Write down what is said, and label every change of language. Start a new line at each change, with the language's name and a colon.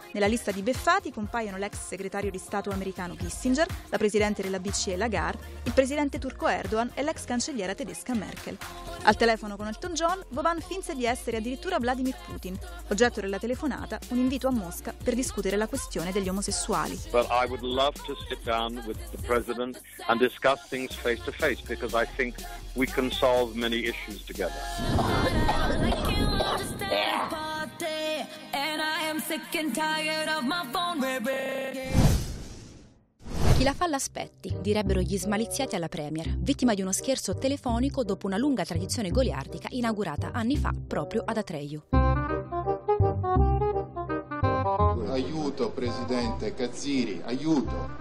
Italian: Nella lista di beffati compaiono l'ex segretario di Stato americano Kissinger, la presidente della BCE Lagarde, il presidente turco Erdogan e l'ex cancelliera tedesca Merkel. Al telefono con Elton John, Vovan finse di essere addirittura Vladimir Putin, oggetto della telefonata un invito a Mosca per discutere la questione degli omosessuali.
English: Well, I would love to sit down with the president and discuss things face to face because I think we can solve many issues together. And I am sick and tired of my phone, baby.
Italian: Chi la fa l'aspetti, direbbero gli smaliziati alla Premier, vittima di uno scherzo telefonico dopo una lunga tradizione goliardica inaugurata anni fa proprio ad Atreju. Aiuto, presidente Kaziri, aiuto.